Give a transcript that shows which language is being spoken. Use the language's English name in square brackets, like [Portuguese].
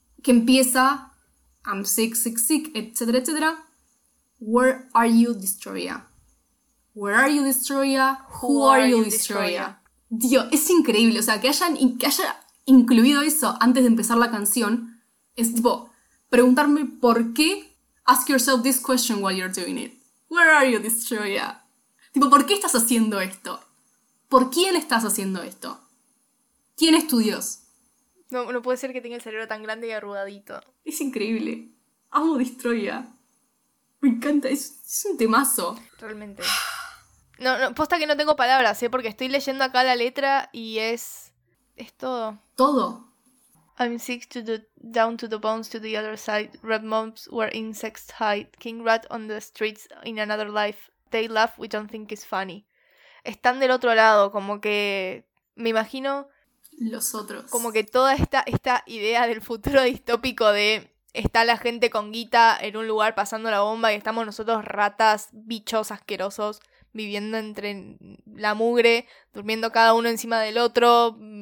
[Spanish] Que empieza, [English] I'm sick, sick, sick, [Spanish] etcétera, etcétera. [English] Where are you, Destroya? Where are you, Destroya? Who are you, Destroya? [Spanish] Dios, es increíble. O sea, que hayan incluido eso antes de empezar la canción Es tipo, preguntarme por qué. [English] Ask yourself this question while you're doing it. Where are you, [Spanish] Destroya? Tipo, ¿por qué estás haciendo esto? ¿Por quién estás haciendo esto? ¿Quién es tu dios? No, no puede ser que tenga el cerebro tan grande y arrugadito. Es increíble. Amo Destroya. Me encanta, es un temazo. Realmente. No, no, posta que no tengo palabras, ¿eh? Porque estoy leyendo acá la letra y es todo. Todo. [English] I'm sick to the down to the bones to the other side. Red mobs where insects hide. King rat on the streets in another life. They laugh, we don't think it's funny. [Spanish] Están del otro lado, como que me imagino los otros. Como que toda esta idea del futuro distópico de está la gente con guita en un lugar pasando la bomba y estamos nosotros ratas, bichos asquerosos, viviendo entre la mugre, durmiendo cada uno encima del otro.